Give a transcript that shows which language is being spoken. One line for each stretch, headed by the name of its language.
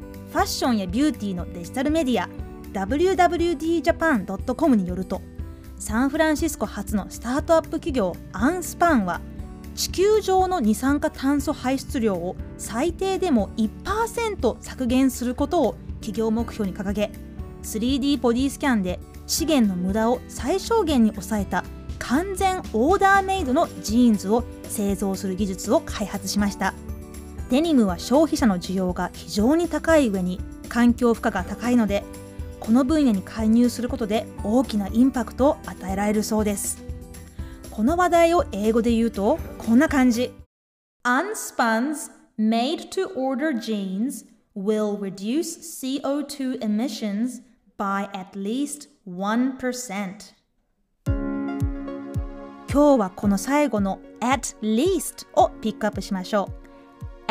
Japanese: ファッションやビューティーのデジタルメディア wwdjapan.com によると、サンフランシスコ発のスタートアップ企業アンスパンは、地球上の二酸化炭素排出量を最低でも 1% 削減することを企業目標に掲げ、 3D ボディスキャンで資源の無駄を最小限に抑えた完全オーダーメイドのジーンズを製造する技術を開発しました。デニムは消費者の需要が非常に高い上に環境負荷が高いので、この分野に介入することで大きなインパクトを与えられるそうです。この話題を英語で言うとこんな感じ。
English: Unspun's made-to-order jeans will reduce CO2 emissions by at least 1%。
Japanese: 今日はこの最後の at least をピックアップしましょう。